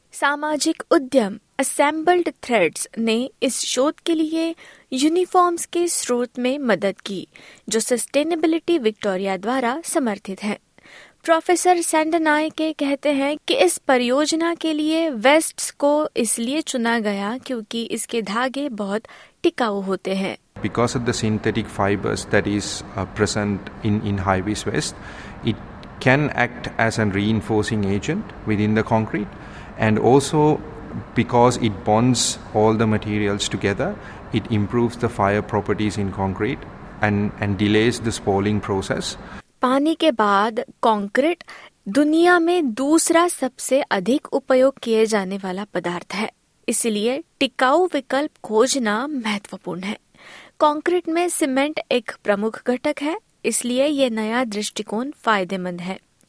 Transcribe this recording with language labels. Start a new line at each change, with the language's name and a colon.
Hindi: सामाजिक उद्यम Assembled Threads ने इस शोध के लिए यूनिफॉर्म्स के स्रोत में मदद की, जो Sustainability Victoria द्वारा समर्थित है। प्रोफेसर सेंडनाई के कहते हैं कि इस परियोजना के लिए वेस्ट्स को इसलिए चुना गया क्योंकि इसके धागे बहुत टिकाऊ होते हैं।
English: Because of the synthetic fibers that is present in high-vis waste, it can act as a reinforcing agent within the concrete, and also because it bonds all the materials together, it improves the fire properties in concrete and delays the spalling process.
Hindi: पानी के बाद concrete दुनिया में दूसरा सबसे अधिक उपयोग किए जाने वाला पदार्थ है, इसलिए टिकाऊ विकल्प खोजना महत्वपूर्ण है। कंक्रीट में सीमेंट एक प्रमुख घटक है, इसलिए ये नया दृष्टिकोण फायदेमंद है।